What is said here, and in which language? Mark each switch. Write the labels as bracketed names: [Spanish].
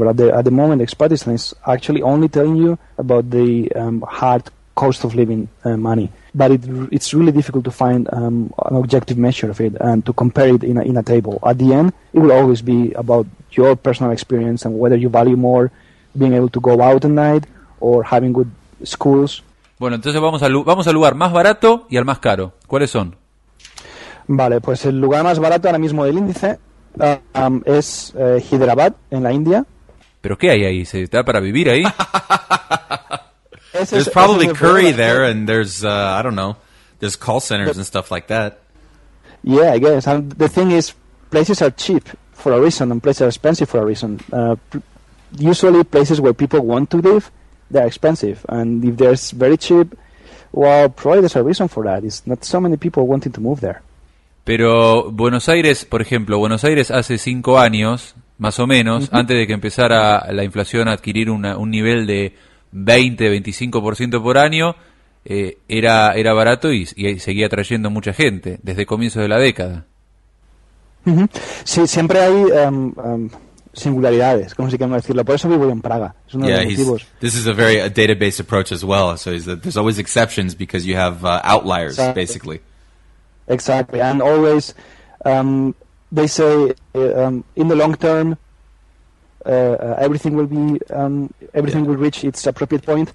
[English] But at the moment, Expatistan is actually only telling you about the hard cost of living money. But it's really difficult to find an objective measure of it and to compare it in a table. At the end, it will always be about your personal experience and whether you value more being able to go out at night or having good schools. [Spanish] Bueno, entonces vamos al lugar más barato y al más caro. ¿Cuáles son? Vale, pues el lugar más barato ahora mismo del índice es Hyderabad, en la India. ¿Pero qué hay ahí? ¿Se da para vivir ahí? [English] There's probably curry there, and there's, I don't know, there's call centers and stuff like that. Yeah, I guess. And the thing is, places are cheap for a reason, and places are expensive for a reason. Usually, places where people want to live, they're expensive. And if they're very cheap, well, probably there's a reason for that. It's not so many people wanting to move there. [Spanish] Pero Buenos Aires, por ejemplo, Buenos Aires hace 5 años, más o menos, mm-hmm. antes de que empezara la inflación a adquirir un nivel de 20-25% por año, era barato y seguía trayendo mucha gente desde el comienzo de la década. Mm-hmm. Sí, siempre hay singularidades, como si queremos decirlo. Por eso vivo en Praga. Es uno de los motivos. [English] This is a very database approach as well. So there's always exceptions because you have outliers, exactly. Basically. Exactly, and always they say in the long term everything will be everything will reach its appropriate point.